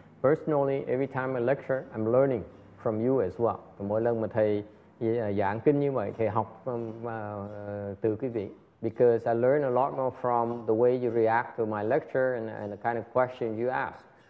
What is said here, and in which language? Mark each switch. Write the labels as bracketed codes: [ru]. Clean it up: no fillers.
[en] Personally, every time I lecture, I'm learning from you as well. [vi] Mỗi lần mà thầy giảng kinh như vậy, thầy học từ quý vị. [en] Because I learn a lot more from the way you react to my lecture and the kind of questions you ask.